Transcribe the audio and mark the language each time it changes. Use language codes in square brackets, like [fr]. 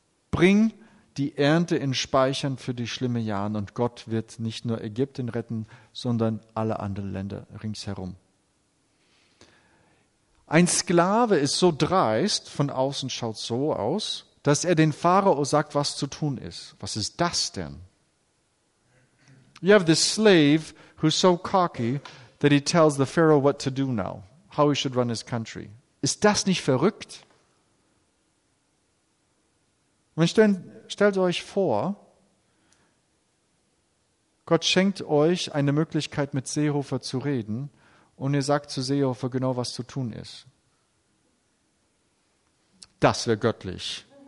[de] Bring die Ernte in Speichern für die schlimmen Jahre und Gott wird nicht nur Ägypten retten, sondern alle anderen Länder ringsherum. Ein Sklave ist so dreist, von außen schaut so aus, dass er den Pharao sagt, was zu tun ist. Was ist das denn? [en] You have this slave who's so cocky that he tells the Pharaoh what to do now, how he should run his country. [de] Ist das nicht verrückt? Und stellt euch vor, Gott schenkt euch eine Möglichkeit, mit Seehofer zu reden und ihr sagt zu Seehofer genau, was zu tun ist. Das wäre göttlich.